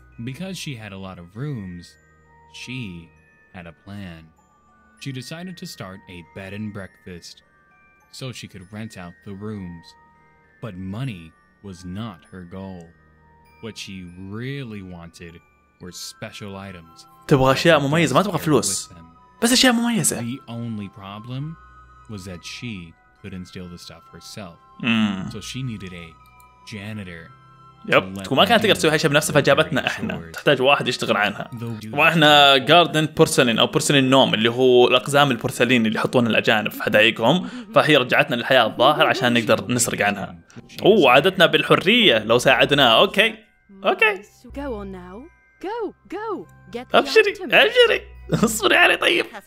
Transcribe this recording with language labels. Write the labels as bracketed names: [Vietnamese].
[English] Because she had a lot of rooms, she had a plan. She decided to start a bed and breakfast. So she could rent out the rooms. But money was not her goal. What she really wanted were special items. [Arabic] تبغى اشياء مميزة ما تبغى فلوس بس اشياء مميزة. [English] The only problem was that she couldn't steal the stuff herself. So she needed a janitor. [Arabic] يب تكون ما كانت تقدر تسوي هالشيء بنفسها فجابتنا احنا تحتاج واحد يشتغل عنها واحنا جاردن بورسلين او بورسلين نوم اللي هو الاقزام البورسلين اللي يحطونها الاجانب في حدائقهم فهي رجعتنا للحياة الظاهر عشان نقدر نسرق عنها وعادتنا بالحرية لو ساعدناها اوكي اوكي [English] go now go go get the [Arabic] ابشري ابشري اصبري علي طيب